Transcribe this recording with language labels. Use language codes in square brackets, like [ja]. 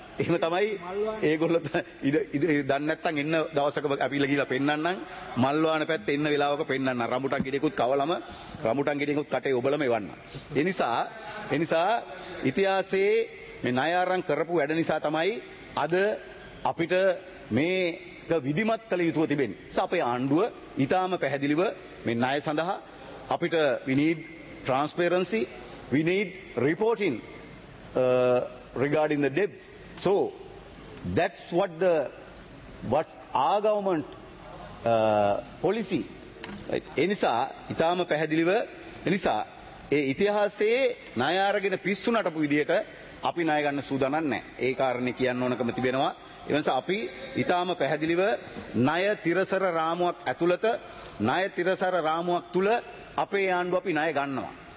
[si] එහෙම තමයි ඒගොල්ලෝ දන්නේ නැත්තම් එන්න දවසක අපිලා ගිහිලා පෙන්නන්නම්. මල්වාන පැත්තේ ඉන්න වෙලාවක පෙන්නන්න. රඹුටන් ගෙඩියකුත් කවලම, රඹුටන් ගෙඩියකුත් කටේ ඔබලම එවන්න. එනිසා ඉතිහාසයේ මේ ණය ආරං කරපු වැඩ නිසා තමයි අද අපිට මේක විධිමත් කළ යුතුව තිබෙන්නේ. අපේ ආණ්ඩුව ඉතාම පැහැදිලිව මේ ණය සඳහා අපිට [en] we need transparency, we need reporting regarding the debts. So that's what's our government policy. [si] එනිසා ඉතාම පැහැදිලිව, එනිසා ඒ ඉතිහාසයේ ණය අරගෙන පිස්සු නටපු විදිහට අපි ණය ගන්න සූදානම් නැහැ. ඒ කාරණේ කියන්න ඕනකම තිබෙනවා. ඒ නිසා අපි ඉතාම පැහැදිලිව ණය තිරසර රාමුවක් ඇතුළත, ණය තිරසර රාමුවක් තුල අපේ ආණ්ඩුව අපි ණය ගන්නවා.